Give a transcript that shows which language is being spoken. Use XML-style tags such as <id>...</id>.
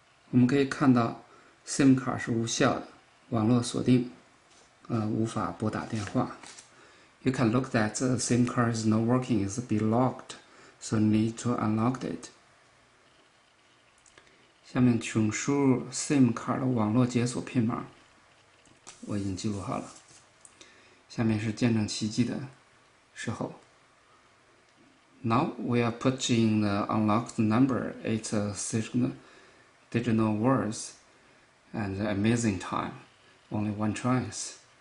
<zh>我们可以看到 SIM 卡是无效的，网络锁定，无法拨打电话。</zh> <en>You can look that the SIM card is not working, it's been locked, so you need to unlock it.</en> <zh>下面请输入 SIM 卡的网络解锁片码，我已经记录好了。下面是见证奇迹的时候。</zh> <en>Now we are putting the unlocked number, it's a digital words, and amazing time, only one tries.</en>